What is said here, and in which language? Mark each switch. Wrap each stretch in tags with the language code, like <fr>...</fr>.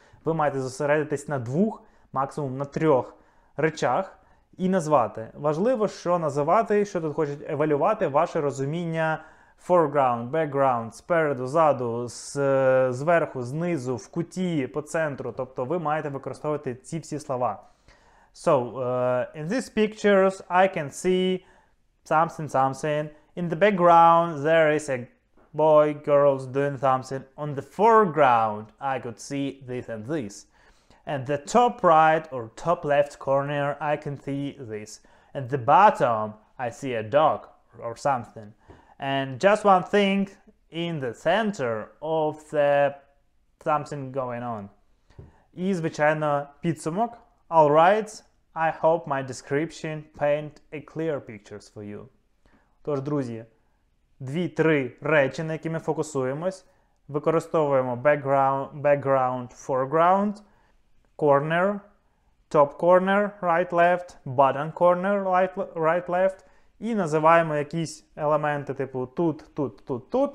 <uk>Ви маєте зосередитись на двох, максимум на трьох речах, і назвати. Важливо, що називати, що тут хочуть евалювати ваше розуміння foreground, background, спереду, ззаду, зверху, знизу, в куті, по центру. Тобто ви маєте використовувати ці всі слова.</uk> <en>So, in these pictures I can see something, something. In the background there is a boy, girls doing something. On the foreground I could see this and this. And the top right or top left corner, I can see this. And the bottom, I see a dog or something. And just one thing in the center of the something going on.</en> <uk>І, звичайно, підсумок.</uk> <en>All right, I hope my description paint a clear pictures for you.</en> <uk>Тож, друзі, 2-3 речі, на які ми фокусуємось. Використовуємо background, foreground, corner, top corner, right-left, bottom corner, right-left. І називаємо якісь елементи, типу тут.</uk>